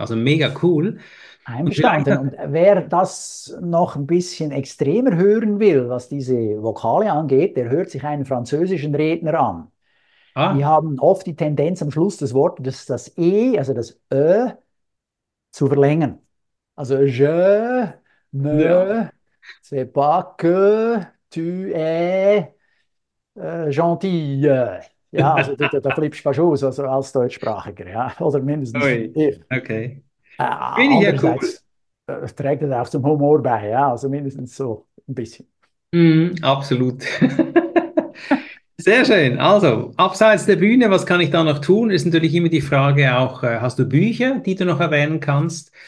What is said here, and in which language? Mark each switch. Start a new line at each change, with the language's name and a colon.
German: Also mega cool. Und vielleicht. Und wer das noch ein bisschen extremer hören will, was diese Vokale angeht, der hört sich einen französischen Redner an. Die haben oft die Tendenz am Schluss des Wortes, das E, also das Ö, zu verlängern. Also
French: je, me, c'est pas que tu es gentil.
German: Ja, also da flippst du fast aus, also als Deutschsprachiger, ja, oder mindestens ich. Bin ich ja cool. Andererseits trägt das auch zum Humor bei, ja, also mindestens so ein bisschen. Absolut. Sehr schön. Also, abseits der Bühne, was kann ich da noch tun? Ist natürlich immer die Frage auch, hast du Bücher, die du noch erwähnen kannst?